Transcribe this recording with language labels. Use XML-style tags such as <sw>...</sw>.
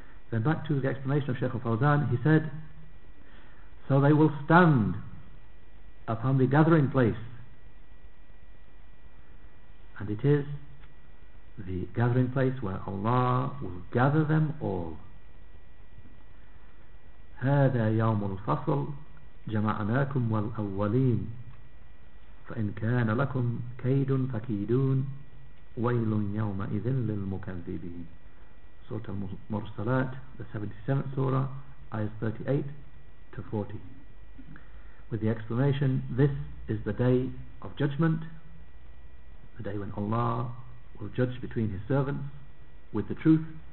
<en>Then back to the explanation of Sheikh al-Fawzan, he said, so they will stand upon the gathering place, and it is the gathering place where Allah will gather them all.</en> <ar>هذا يوم الفصل جمعناكم والأولين فإن كان لكم كيد فكيدون ويل يومئذ للمكذبين.</ar> <en>Surah Al-Mursalat, the 77th surah, ayahs 38-40, with the explanation, this is the day of judgment, the day when Allah will judge between his servants with the truth.</en>